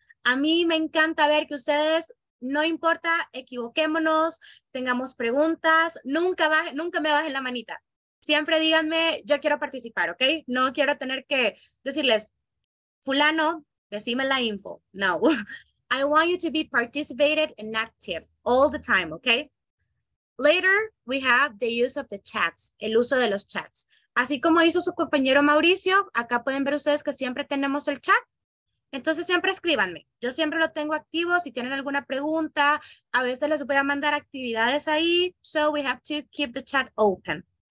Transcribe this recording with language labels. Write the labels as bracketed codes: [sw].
[es] A mí me encanta ver que ustedes, no importa, equivoquémonos, tengamos preguntas, nunca me bajen la manita. Siempre díganme, yo quiero participar, ¿ok? No quiero tener que decirles, fulano, decime la info. No. [en] I want you to be participated and active all the time, ¿ok? Later, we have the use of the chats, [es] el uso de los chats. Así como hizo su compañero Mauricio, acá pueden ver ustedes que siempre tenemos el chat. Entonces, siempre escríbanme. Yo siempre lo tengo activo. Si tienen alguna pregunta, a veces les voy a mandar actividades ahí. [en] So, we have to keep the chat open.